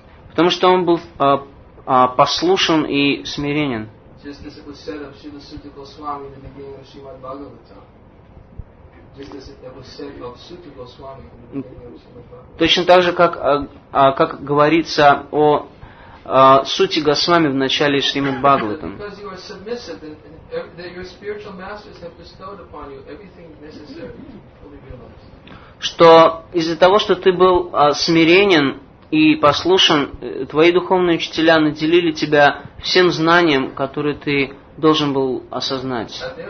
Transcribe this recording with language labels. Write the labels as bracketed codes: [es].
[ru] Потому что он был послушен и смиренен. [en] Just as it was said of Srila Suta Goswami in the beginning of Srimad Bhagavatam. Just as it was said of Suta Goswami in the beginning of Srimad Bhagavatam. [ru] Точно так же, как говорится о Суте Госвами в начале Шримад Бхагаватам. [en] Because you are submissive and that your spiritual masters have bestowed upon you everything necessary to fully realize. [ru] Что из-за того, что ты был смиренен и послушан, твои духовные учителя наделили тебя всем знанием, которое ты должен был осознать.